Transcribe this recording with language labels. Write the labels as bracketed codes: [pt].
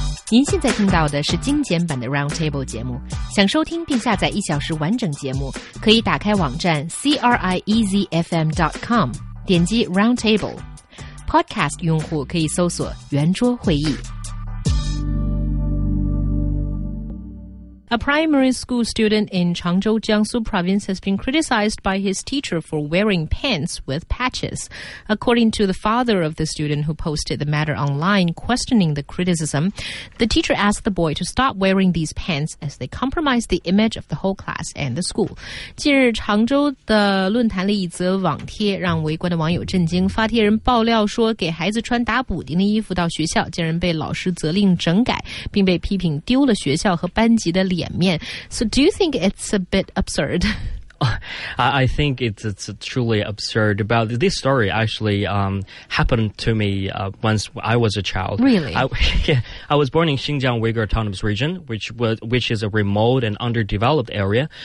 [zh] 您现在听到的是精简版的 Roundtable 节目，想收听并下载一小时完整节目，可以打开网站 CRIEZFM.com， 点击 Roundtable。 Podcast 用户可以搜索圆桌会议。 [en] A primary school student in Changzhou, Jiangsu province has been criticized by his teacher for wearing pants with patches. According to the father of the student who posted the matter online questioning the criticism, the teacher asked the boy to stop wearing these pants as they compromise the image of the whole class and the school. [zh] 近日，常州的论坛里一则网帖让围观的网友震惊。发帖人爆料说，给孩子穿打补丁的衣服到学校，竟然被老师责令整改，并被批评丢了学校和班级的脸。 [en] So do you think it's a bit absurd? I think it's truly absurd. About this story actually happened to me once I was a child. Really? I was born in Xinjiang Uyghur Autonomous Region, which is a remote and underdeveloped area.